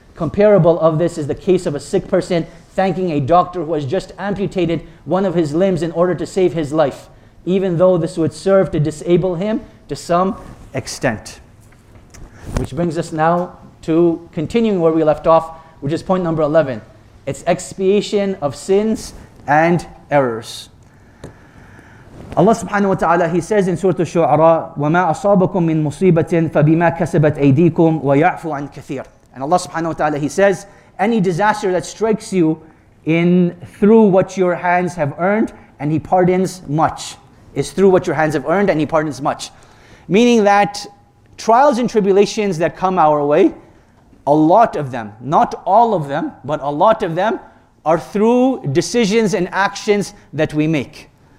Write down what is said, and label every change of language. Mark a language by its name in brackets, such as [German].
[English] Comparable of this is the case of a sick person thanking a doctor who has just amputated one of his limbs in order to save his life, even though this would serve to disable him to some extent. Which brings us now to continuing where we left off, which is point number 11. It's expiation of sins and errors. [Arabic] Allah subhanahu wa ta'ala, [English] He says in Surah Al-Shu'ara, [Arabic] وَمَا أَصَابَكُم مِّن مُصِيبَةٍ فَبِمَا كَسَبَتْ أَيْدِيكُمْ وَيَعْفُ عَنْ كَثِيرٍ. [English] And Allah subhanahu wa ta'ala, He says, any disaster that strikes you in through what your hands have earned, and He pardons much, is through what your hands have earned, and He pardons much. Meaning that trials and tribulations that come our way, a lot of them, not all of them, but a lot of them, are through decisions and actions that we make.